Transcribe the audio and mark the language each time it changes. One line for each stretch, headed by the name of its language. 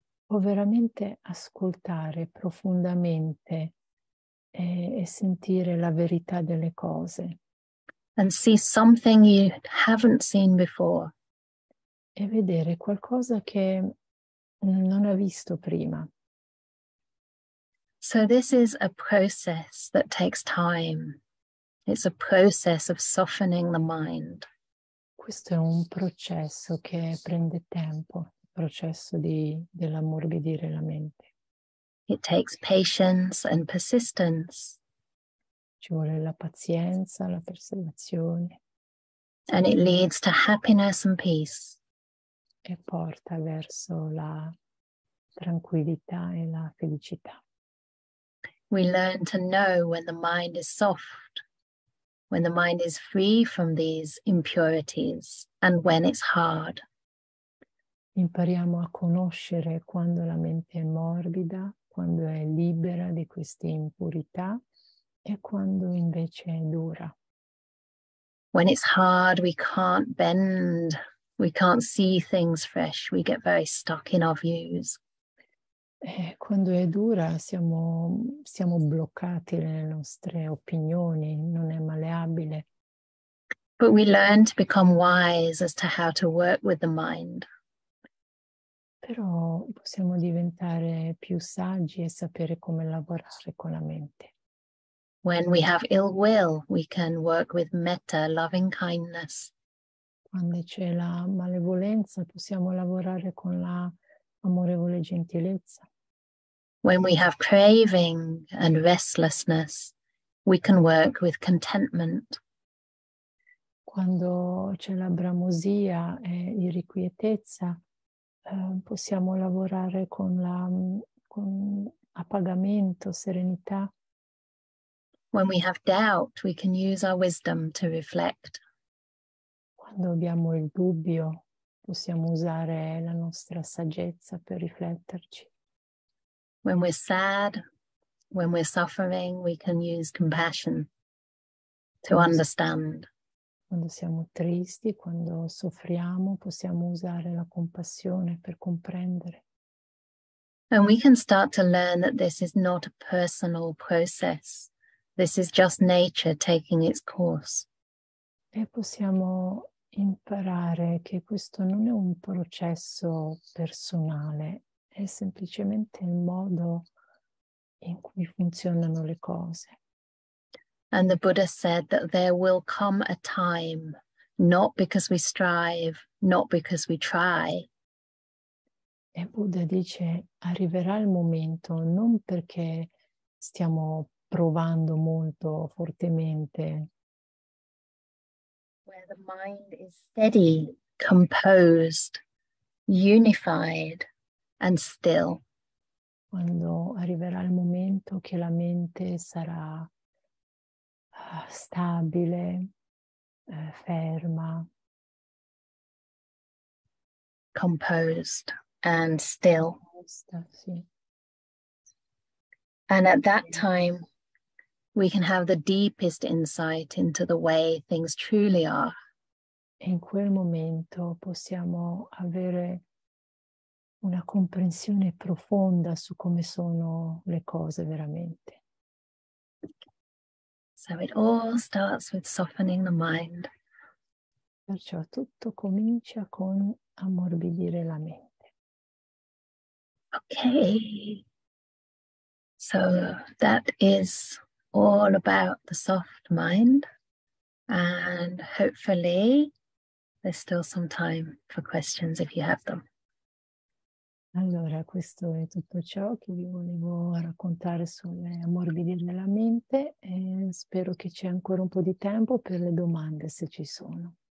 Italian: Può veramente ascoltare profondamente e sentire la verità delle cose.
English: And see something you haven't seen before.
Italian: E vedere qualcosa che non ha visto prima.
English: So this is a process that takes time. It's a process of softening the mind.
Italian: Questo è un processo che prende tempo, il processo dell'ammorbidire la mente.
English: It takes patience and persistence.
Italian: Ci vuole la pazienza, la perseveranza.
English: And it leads to happiness and peace.
Italian: E porta verso la tranquillità e la felicità.
English: We learn to know when the mind is soft, when the mind is free from these impurities, and when it's hard.
Italian: Impariamo a conoscere quando la mente è morbida, quando è libera di queste impurità e quando invece è dura.
English: When it's hard, we can't bend, we can't see things fresh, we get very stuck in our views.
Italian: Quando è dura siamo bloccati nelle nostre opinioni, non è malleabile.
English: But we learn to become wise as to how to work with the mind.
Italian: Però possiamo diventare più saggi e sapere come lavorare con la mente.
English: When we have ill will, we can work with metta, loving kindness.
Italian: Quando c'è la malevolenza, possiamo lavorare con la amorevole gentilezza.
English: When we have craving and restlessness, we can work with contentment.
Italian: Quando c'è la bramosia e irrequietezza, possiamo lavorare con appagamento, serenità.
English: When we have doubt, we can use our wisdom to reflect.
Italian: Quando abbiamo il dubbio, possiamo usare la nostra saggezza per rifletterci.
English: When we're sad, when we're suffering, we can use compassion to understand.
Italian: Quando siamo tristi, quando soffriamo, possiamo usare la compassione per comprendere.
English: And we can start to learn that this is not a personal process. This is just nature taking its course.
Italian: E possiamo imparare che questo non è un processo personale. È semplicemente il modo in cui funzionano le cose.
English: And the Buddha said that there will come a time, not because we strive, not because we try.
Italian: E Buddha dice, arriverà il momento non perché stiamo provando molto fortemente.
English: Where the mind is steady, composed, unified. And still.
Italian: Quando arriverà il momento che la mente sarà stabile, ferma.
English: Composed and still.
Italian: Composta, sì.
English: And at that time, we can have the deepest insight into the way things truly are.
Italian: In quel momento possiamo avere una comprensione profonda su come sono le cose veramente.
English: So it all starts with softening the mind.
Italian: Perciò tutto comincia con ammorbidire la mente.
English: Okay. So that is all about the soft mind. And hopefully there's still some time for questions if you have them.
Italian: Allora, questo è tutto ciò che vi volevo raccontare sulle morbidi della mente e spero che c'è ancora un po' di tempo per le domande, se ci sono.